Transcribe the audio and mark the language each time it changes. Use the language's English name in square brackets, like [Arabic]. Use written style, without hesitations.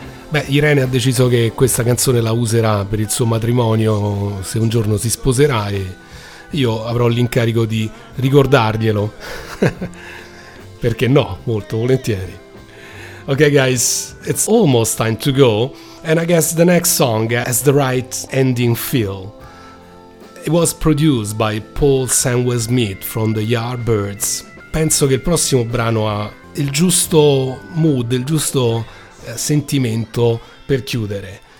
[Italian] Beh, Irene ha deciso che questa canzone la userà per il suo matrimonio, se un giorno si sposerà, e io avrò l'incarico di ricordarglielo. Perché no, molto volentieri. [English] Okay guys, it's almost time to go, and I guess the next song has the right ending feel. It was produced by Paul Samuel Smith from the Yardbirds. [Italian] Penso che il prossimo brano ha il giusto mood, il giusto sentimento per chiudere.